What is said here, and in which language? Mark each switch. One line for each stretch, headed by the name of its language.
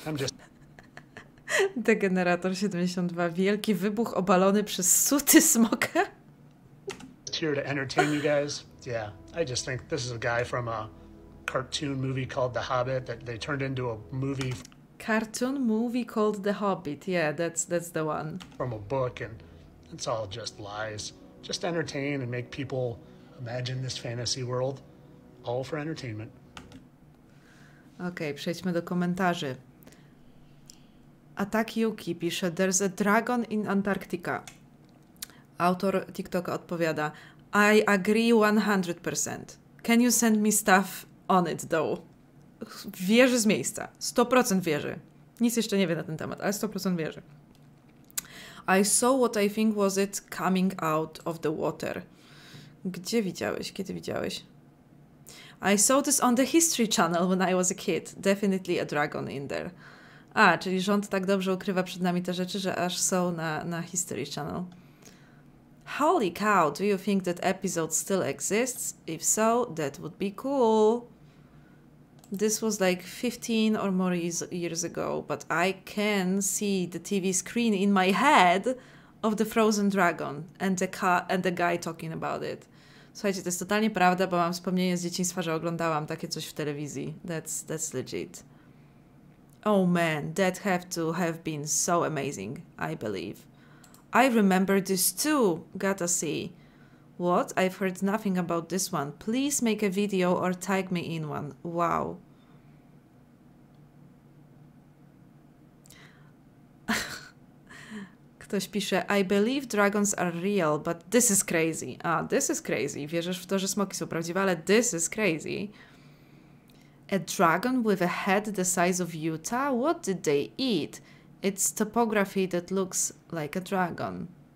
English: I'm just... Degenerator 72.
Polish: Wielki wybuch obalony przez suty smoka.
English: Here to entertain you guys. Yeah, I just think this is a guy from a cartoon movie called The Hobbit that they turned into a movie. Cartoon movie called The Hobbit. Yeah, that's the one. From a book, and it's all just lies. Just entertain and make people imagine this fantasy world. All for entertainment.
Polish: Okej, przejdźmy do komentarzy.
English: Attack Yuki
Polish: pisze,
English: there's a dragon in Antarctica.
Polish: Autor TikToka odpowiada,
English: I agree 100%. Can you send me stuff on it though?
Polish: Wierzy z miejsca. 100% wierzy. Nic jeszcze nie wie na ten temat, ale 100% wierzy.
English: I saw what I think was it coming out of the water.
Polish: Gdzie widziałeś? Kiedy widziałeś?
English: I saw this on the History Channel when I was a kid. Definitely a dragon in there.
Polish: A, czyli rząd tak dobrze ukrywa przed nami te rzeczy, że aż są na History Channel.
English: Holy cow, do you think that episode still exists? If so, that would be cool. This was like 15 or more years ago, but I can see the TV screen in my head of the frozen dragon and the guy talking about it.
Polish: Słuchajcie, to jest totalnie prawda, bo mam wspomnienie z dzieciństwa, że oglądałam takie coś w telewizji.
English: That's legit. Oh man, that have to have been so amazing, I believe. I remember this too, gotta see. What? I've heard nothing about this one. Please make a video or tag me in one. Wow.
Polish: Ktoś pisze,
English: I believe dragons are real, but this is crazy. A, this is crazy.
Polish: Wierzysz w to, że smoki są prawdziwe, ale
English: this is crazy. A dragon with a head the size of Utah? What did they eat? It's topography that looks like a dragon.